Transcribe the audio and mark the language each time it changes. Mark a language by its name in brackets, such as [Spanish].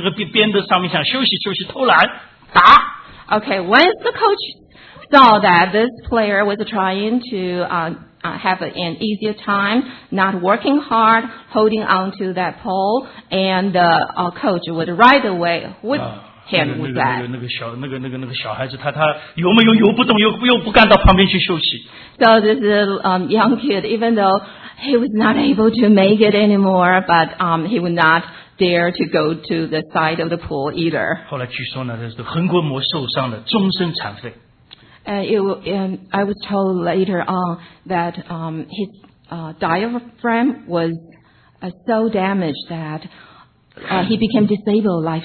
[Chinese] 看到什么时候你的手要去搭到旁边那个边的上面，想休息休息，偷懒打。 [English] Okay, once the coach saw that this player was trying to have an easier time not working hard, holding on to that pole, and our coach would right away would So this young kid, even though he was not able to make it anymore, but he would not dare to go to the side of the pool either. [Chinese] 后来据说呢，这是横膈膜受伤的终身残废。 [English] I was told later on that his diaphragm was so damaged that he became disabled